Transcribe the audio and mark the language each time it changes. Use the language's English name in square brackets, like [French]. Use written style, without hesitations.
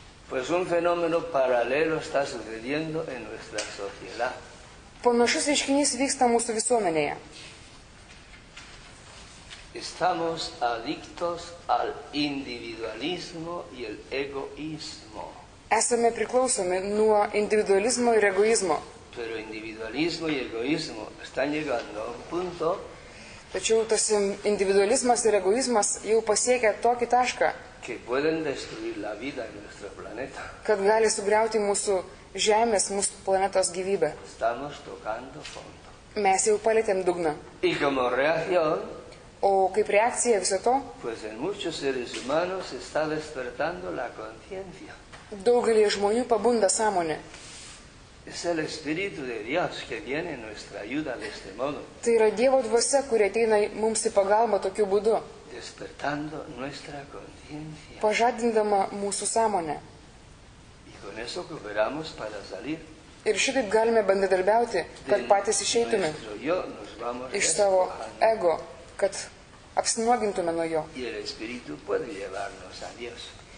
[Spanish] Pues un fenómeno paralelo está sucediendo en nuestra sociedad. [Lithuanian] Panašus reiškinys vyksta mūsų visuomenėje. [Spanish] Estamos adictos al individualismo y el egoísmo. [Lithuanian] Esame priklausomi nuo individualizmo ir egoizmo. [Spanish] Pero individualismo y egoísmo están llegando a un punto. [Lithuanian] Tačiau tas individualizmas ir egoizmas jau pasiekia tokį tašką. [Spanish] Que pueden destruir la vida en nuestro planeta. [Lithuanian] Kad gali sugriauti mūsų žemės, mūsų planetos gyvybę. [Spanish] Estamos tocando fondo. [Lithuanian] Mes jau palietėm dugną. [Spanish] Y como reacción. [Lithuanian] O kaip reakcija viso to? [Spanish] Pues en muchos seres humanos está despertando la conciencia. [Lithuanian] Daugelį žmonių pabunda sąmonė. [Spanish] Es el Espíritu de Dios que viene nuestra ayuda de este modo. [Lithuanian] Tai yra Dievo dvasia, kuri ateina mums į pagalbą tokiu būdu. [Spanish] Despertando nuestra conciencia. [Lithuanian] Pažadindama mūsų sąmonę. [Spanish] Y con eso cooperamos para salir. [Lithuanian] Ir šitaip galime bendradarbiauti, kad patys išeitume. Iš savo ego, kad apsinuogintume nuo jo. [Spanish] Y el Espíritu puede llevarnos a Dios.